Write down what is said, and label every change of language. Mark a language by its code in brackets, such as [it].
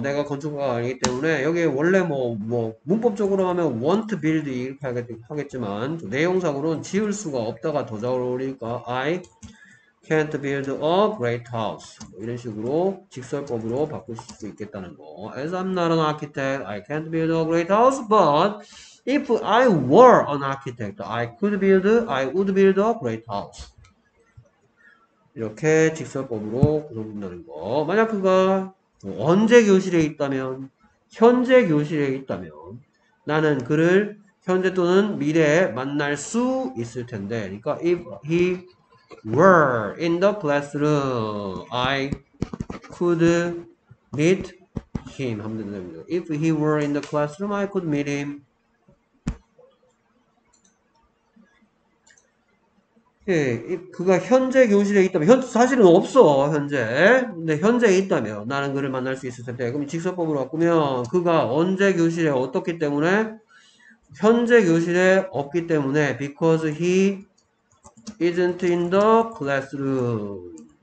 [ko] 내가 건축가가 아니기 때문에 여기에 원래 뭐뭐 뭐 문법적으로 하면 want build 이렇게 하겠지만 내용상으로는 지을 수가 없다가 더잘 어울리니까 [en] I can't build a great house. [ko] 뭐 이런 식으로 직설법으로 바꿀 수 있겠다는 거. [en] As I'm not an architect, I can't build a great house, but if I were an architect, I would build a great house. [ko] 이렇게 직설법으로 구성된다는 거. 만약 그가 언제 교실에 있다면, 현재 교실에 있다면, 나는 그를 현재 또는 미래에 만날 수 있을 텐데. 그러니까 [en] if he were in the classroom, I could meet him. [ko] 하면 된다는 거. [en] If he were in the classroom, I could meet him. [ko] 예, 그가 현재 교실에 있다면, 사실은 없어, 현재. 근데 현재에 있다면 나는 그를 만날 수 있을 텐데. 그럼 직설법으로 바꾸면, 그가 언제 교실에 어떻기 때문에? 현재 교실에 없기 때문에, [en] because he isn't in the classroom.